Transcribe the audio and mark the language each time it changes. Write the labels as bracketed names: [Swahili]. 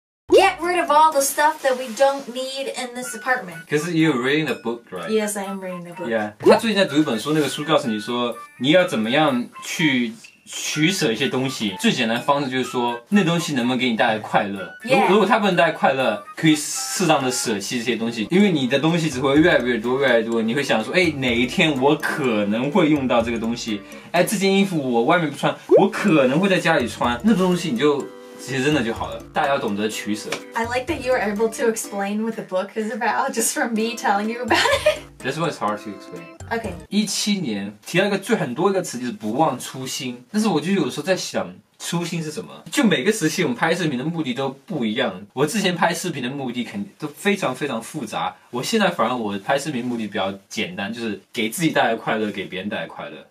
[English] Get rid of all the stuff that we don't need in this apartment. Because you're reading a book, right? Yes, I am reading a book. Yeah. [Chinese] 他最近在读一本书，那个书告诉你说你要怎么样去。取舍一些东西，最简单的方式就是说，那东西能不能给你带来快乐？ [English] Yeah. [Chinese] 如果它不能带来快乐，可以适当的舍弃这些东西，因为你的东西只会越来越多，越来越多，你会想说，哎，哪一天我可能会用到这个东西？哎，这件衣服我外面不穿，我可能会在家里穿，那种东西你就。其实真的就好了，大家要懂得取舍。 [English] I like that you were able to explain with the book is about just from me telling you about it. This one is hard to explain. Okay. [Chinese] 2017年提到一个最很多一个词就是不忘初心，但是我就有时候在想初心是什么？就每个时期我们拍视频的目的都不一样。我之前拍视频的目的肯定都非常非常复杂，我现在反而我拍视频目的比较简单，就是给自己带来快乐，给别人带来快乐。